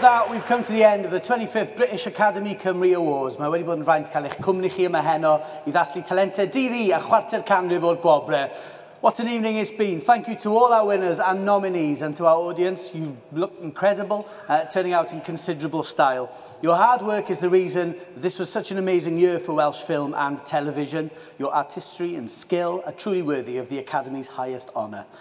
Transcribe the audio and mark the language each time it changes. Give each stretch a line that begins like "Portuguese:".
English: We've come to the end of the 25th British Academy Cymru Awards.
Welsh: Mae wedi bod yn rhaid cael eich cwmni chi yma heno I ddathlu talentau diri a chwarter canrif o'r gwobre.
English: What an evening it's been. Thank you to all our winners and nominees and to our audience. You've looked incredible, turning out in considerable style. Your hard work is the reason this was such an amazing year for Welsh film and television. Your artistry and skill are truly worthy of the Academy's highest honour.